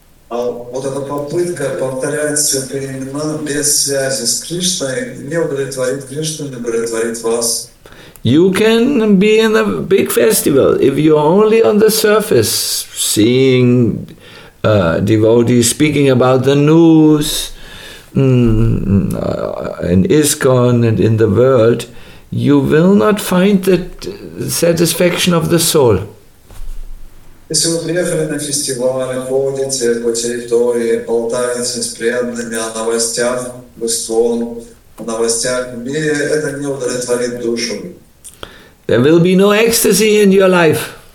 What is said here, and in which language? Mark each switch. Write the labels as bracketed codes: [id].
[ru] А вот эта попытка повторять святые имена без связи с Кришной не удовлетворит Кришну, не удовлетворит вас. [en] You can be in a big festival if you're only on the surface, seeing devotees speaking about the news in ISKCON and in the world. You will not find the satisfaction of the soul. [ru] Если вы приехали на фестивале, ходите по территории, болтаете с преданными о новостях в ISKCON, о новостях в мире, это не удовлетворит душу. [en] There will be no ecstasy in your life.